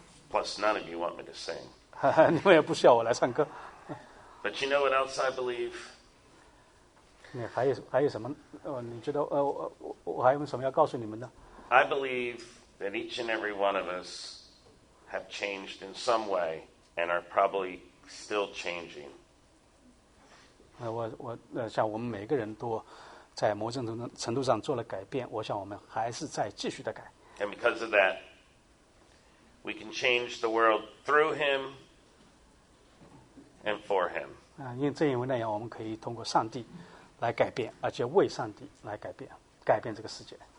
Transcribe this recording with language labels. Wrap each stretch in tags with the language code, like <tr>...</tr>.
<en>Plus none of you want me to sing.</en> <zh>你们也不需要我来唱歌。</zh> <en>But you know what else I believe?</en> <zh>你还有什么？你觉得我还有什么要告诉你们呢</zh> <en>？I believe that each and every one of us have changed in some way and are probably still changing.</en> <zh>我像我们每个人都在某种程度上做了改变，我想我们还是在继续的改。</zh> <en>And because of that, we we can change the world through him and for him.</en> <zh>因为这样我们可以通过上帝来改变，而且为上帝来改变，改变这个世界。</zh>